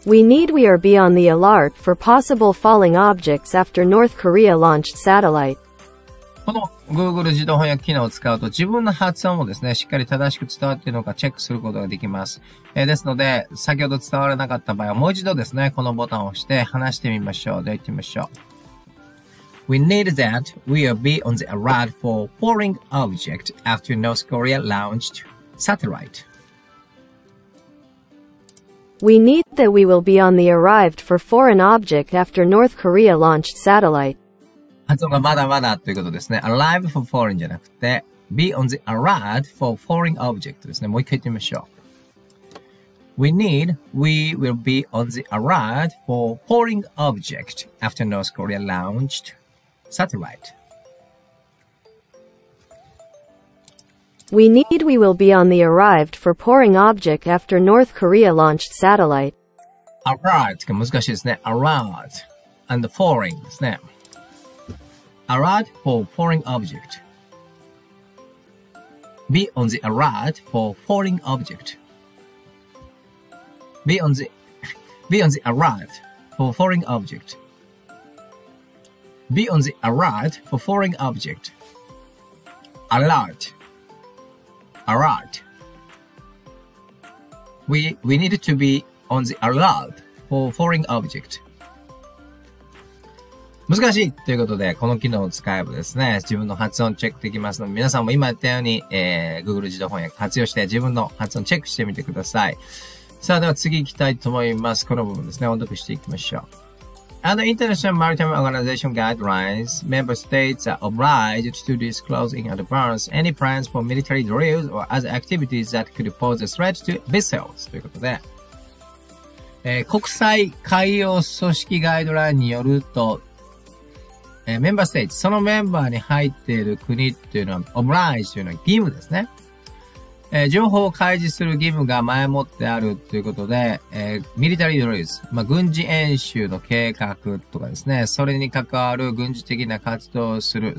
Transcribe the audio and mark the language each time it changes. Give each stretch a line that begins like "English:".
English: We need we are be on the alert for possible falling objects after North Korea launched satellite.
Japanese: この Google 自動翻訳機能を使うと自分の発音をですねしっかり正しく伝わっているのかチェックすることができます。ですので先ほど伝わらなかった場合はもう一度ですねこのボタンを押して話してみましょう。では行ってみましょう。
English: We need that we will be on the alert for foreign object after North Korea launched satellite. We need that we will be on the arrived for foreign object after North Korea launched satellite.
Japanese: 発音がまだまだということですね。
English: Arrive for foreign
Japanese: じゃなくて
English: be on the alert for foreign object ですね。
Japanese: もう一回言ってみましょう。
English: We need, we will be on the alert for foreign object after North Korea launched satellite. We need we will be on the arrived for pouring object after North Korea launched satellite.
Japanese: Arrived が難しいですね.
English: Arrived and pouring
Japanese: ですね.
English: Arrived for pouring object. Be on the arrived for pouring object. Be on the arrived for pouring object. Be on the alert for foreign object. Alert. Alert. We need to be on the alert for foreign object.
Japanese: 難しいということで、この機能を使えばですね、自分の発音チェックできますので、皆さんも今言ったように、Google 自動翻訳活用して自分の発音チェックしてみてください。さあ、では次行きたいと思います。この部分ですね、音読していきましょう。
English: And the International Maritime Organization guidelines, member states are obliged to disclose in advance any plans for military drills or other activities that could pose a threat to vessels.
Japanese: ということで、国際海洋組織ガイドラインによると、メンバーステイツ、そのメンバーに入っている国っていうのは、obliged というのは義務ですね。情報を開示する義務が前もってあるということで、ミリタリードリーズ、まあ、軍事演習の計画とかですね、それに関わる軍事的な活動をする。